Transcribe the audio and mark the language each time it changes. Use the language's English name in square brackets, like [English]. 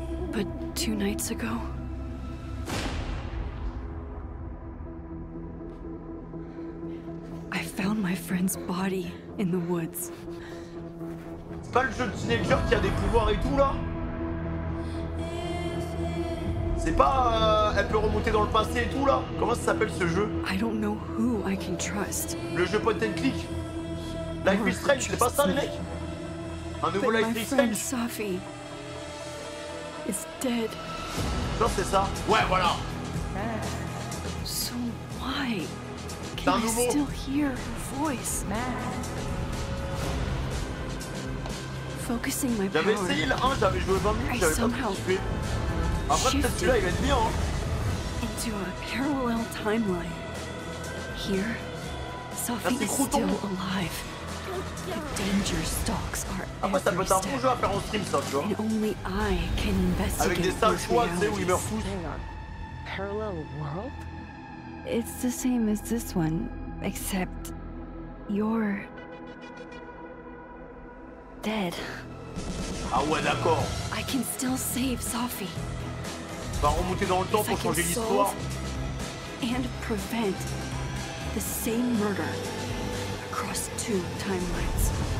[English] But two nights ago, I found my friend's body in the woods. [French] C'est pas le jeu de teenager qui a des pouvoirs et tout là? C'est pas elle peut remonter dans le passé et tout là? Comment ça s'appelle ce jeu? [English] I don't know who I can trust. [French] Le jeu point and click. Life is Strange, c'est pas ça les mecs? Un nouveau Life is Strange. [English] Sophie is dead. [French] Non, c'est ça. Ouais, voilà. [English] So why can I still hear her voice, man? Focusing my power. [French] J'avais essayé le 1, j'avais joué 20 minutes, j'avais pas participé. Après, peut-être celui-là, il va être bien, hein. [English] Into a parallel timeline. Here, Sophie is still alive. The danger stalks are everywhere. [French] Ah, moi, ça peut être un bon jeu à faire en stream, ça, tu vois. [English] And only I can investigate. [French] Avec des sales choix, tu sais, où ils meurent tous. [English] Parallel world? It's the same as this one, except you're dead. [French] Ah ouais, d'accord. [English] I can still save Sophie. [French] On va remonter dans le temps pour changer l'histoire. [English] And prevent the same murder across two timelines.